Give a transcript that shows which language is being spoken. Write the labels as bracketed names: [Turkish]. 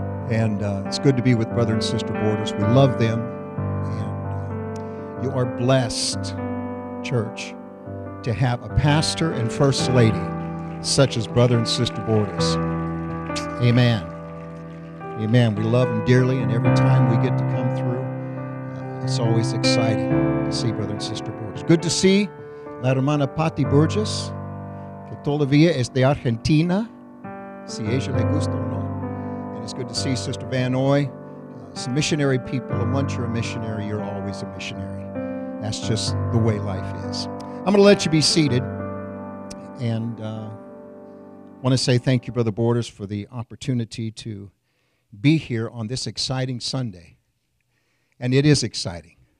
[English] And it's good to be with Brother and Sister Borders. We love them. And you are blessed, church, to have a pastor and first lady such as Brother and Sister Borders. Amen. Amen. We love them dearly, and every time we get to come through, it's always exciting to see Brother and Sister Borges. Good to see [Spanish] La Hermana Patti Burgess, que todavía es de Argentina, si ella le gusta o no. [English] And it's good to see Sister Van Oy, some missionary people, and once you're a missionary, you're always a missionary. That's just the way life is. I'm going to let you be seated, and I want to say thank you, Brother Borges, for the opportunity to be here on this exciting Sunday. And it is exciting.